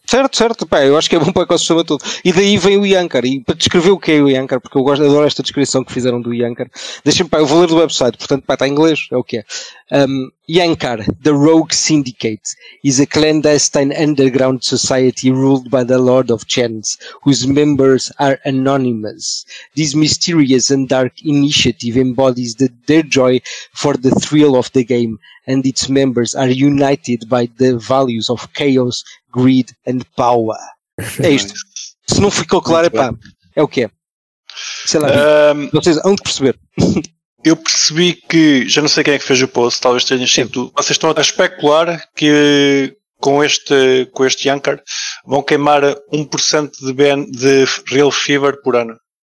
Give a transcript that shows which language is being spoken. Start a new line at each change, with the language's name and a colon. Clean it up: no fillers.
Portuguese: Certo, pá, eu acho que é bom para o ecossistema todo. E daí vem o Yankar, e para descrever o que é o Yankar, porque eu gosto, adoro esta descrição que fizeram do Yankar, deixa-me, pá, eu vou ler do website, portanto, pá, está em inglês, é o que é.
English: Yankar, the Rogue Syndicate, is a clandestine underground society ruled by the Lord of Chance, whose members are anonymous. This mysterious and dark initiative embodies their joy for the thrill of the game, and its members are united by the values of chaos, greed and power.
Portuguese: É isto. Se não ficou claro, epá, é o que é. Sei lá, vocês hão de perceber. Eu percebi que, já não sei quem é que fez o post, talvez tenha sido tu, vocês estão a especular que com este Yankar vão queimar 1% de BN, de Real Fever por ano.